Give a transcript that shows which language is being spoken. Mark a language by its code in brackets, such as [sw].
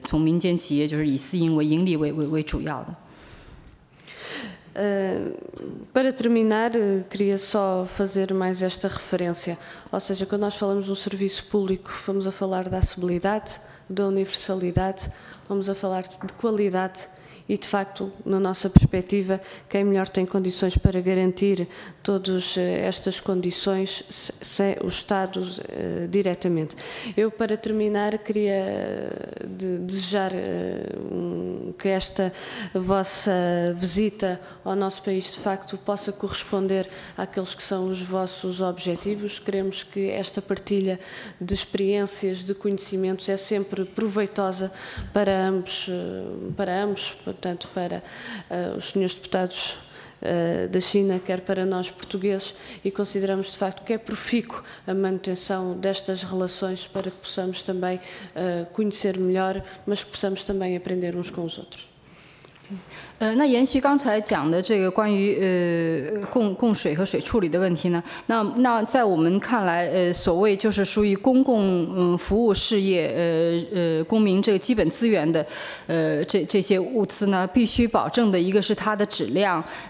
[zh] 那可以说，水资源是一个人类的这基本生成的资源，是从人权角度说，人类都大家都应该能够获取优质的水质，并且能够周围的这污水处理啊这些。所以呢，我们在我们立场是说，这个应该是属于公共事业服务的一个项目，不应该就是从私营把它列为一个就是从民间企业就是以私营为盈利为主要的。 [pt] Para terminar, queria só fazer mais esta referência, ou seja, quando nós falamos de um serviço público, vamos a falar da acessibilidade, da universalidade, vamos a falar de qualidade e, de facto, na nossa perspectiva, quem melhor tem condições para garantir todas estas condições se é o Estado diretamente. Eu, para terminar, queria desejar que esta vossa visita ao nosso país, de facto, possa corresponder àqueles que são os vossos objetivos. Queremos que esta partilha de experiências, de conhecimentos, é sempre proveitosa para ambos, portanto, para os senhores deputados da China, quer para nós portugueses, e consideramos de facto que é profícuo a manutenção destas relações para que possamos também conhecer melhor, mas que possamos também aprender uns com os outros. [zh] 那延续刚才讲的这个关于供水和水处理的问题呢，那在我们看来，所谓就是属于公共服务事业、公民这个基本资源的这些物资呢，必须保证的一个是它的质量，